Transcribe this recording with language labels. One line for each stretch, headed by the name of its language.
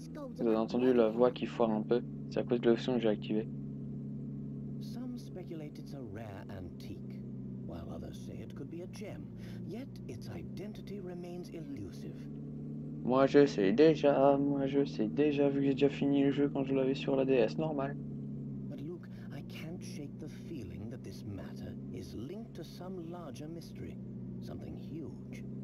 French: Vous avez entendu la voix qui foire un peu, c'est à cause de l'option que j'ai activée.
English: Some speculate it's a rare antique, while others say it could be a gem, yet its identity remains elusive.
French: Moi je sais déjà vu que j'ai déjà fini le jeu quand je l'avais sur la DS, normal.
English: But look, I can't shake the feeling that this matter is linked to some larger mystery, something huge.